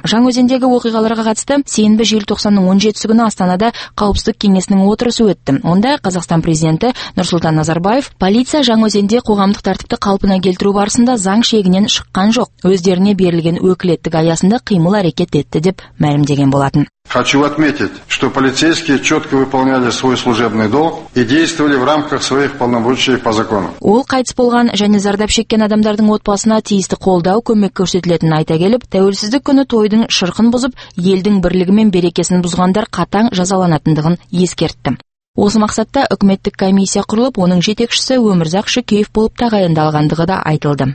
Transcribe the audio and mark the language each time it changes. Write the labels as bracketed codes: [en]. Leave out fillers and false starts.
[kk] Жаңаөзендегі оқиғаларға қатысты сенбі желтоқсанның 17-сі күні Астанада қауіпсіздік кеңесінің отырысы өтті. Онда Қазақстан президенті Нұрсұлтан Назарбаев полиция Жаңаөзенде қоғамдық тәртіпті қалпына келтіру барысында заң шегінен шыққан жоқ. Өздеріне берілген өкілеттік аясында қимыл әрекет етті деп мәлімдеген болатын. [ru] Хочу отметить, что полицейские четко выполняли свой служебный долг и действовали в рамках своих полномочий по закону. [kk] Ол қайтыс болған және зардап шеккен адамдардың отбасына тиісті қолдау көмек көрсетілетінін айта келіп, тәуелсіздік күні тойдың шырқын бұзып, елдің бірлігі мен берекесін бұзғандар қатаң жазаланатындығын ескертті. Осы мақсатта үкіметтік комиссия құрылып, оның жетекшісі Өмірзақ Шүкеев болып тағайындалғандығы да айтылды.